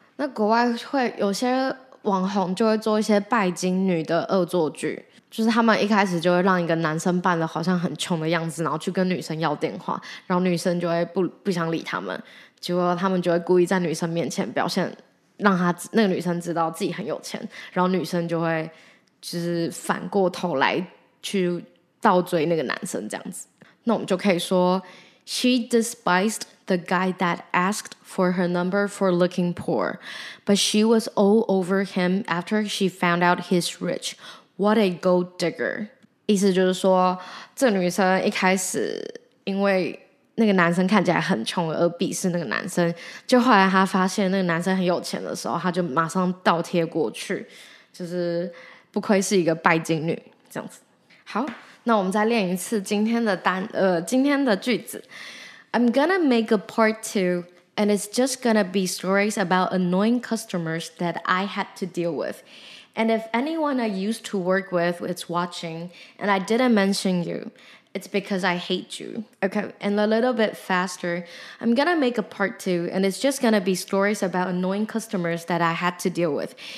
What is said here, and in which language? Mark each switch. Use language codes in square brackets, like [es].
[zh] 那国外会有些网红就会做一些拜金女的恶作剧，就是他们一开始就会让一个男生扮得好像很穷的样子，然后去跟女生要电话，然后女生就会 不想理他们，结果他们就会故意在女生面前表现让他那个女生知道自己很有钱，然后女生就会就是反过头来去倒追那个男生这样子。那我们就可以说 [en] She despised the guy that asked for her number for looking poor, but she was all over him after she found out he's rich. What a gold digger. [zh] 意思就是说，这女生一开始因为那个男生看起来很穷而鄙视那个男生，就后来她发现那个男生很有钱的时候，她就马上倒贴过去，就是不愧是一个拜金女这样子。好，那我们再练一次今天的句子。 [en] I'm gonna make a part two, and it's just gonna be stories about annoying customers that I had to deal with. And if anyone I used to work with is watching, and I didn't mention you, it's because I hate you. Okay, and a little bit faster. I'm gonna make a part two, and it's just gonna be stories about annoying customers that I had to deal with.